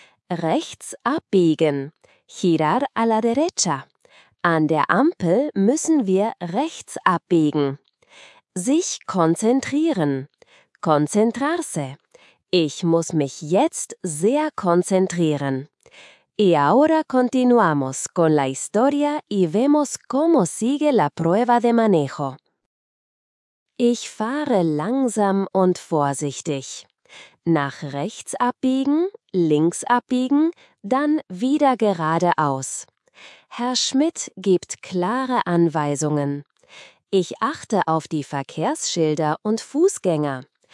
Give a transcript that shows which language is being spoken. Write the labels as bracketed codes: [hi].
[de] Rechts abbiegen. [es] Girar a la derecha. [de] An der Ampel müssen wir rechts abbiegen. Sich konzentrieren. Concentrarse. Ich muss mich jetzt sehr konzentrieren. [es] Y ahora continuamos con la historia y vemos cómo sigue la prueba de manejo. [de] Ich fahre langsam und vorsichtig. Nach rechts abbiegen, links abbiegen, dann wieder geradeaus. Herr Schmidt gibt klare Anweisungen. Ich achte auf die Verkehrsschilder und Fußgänger.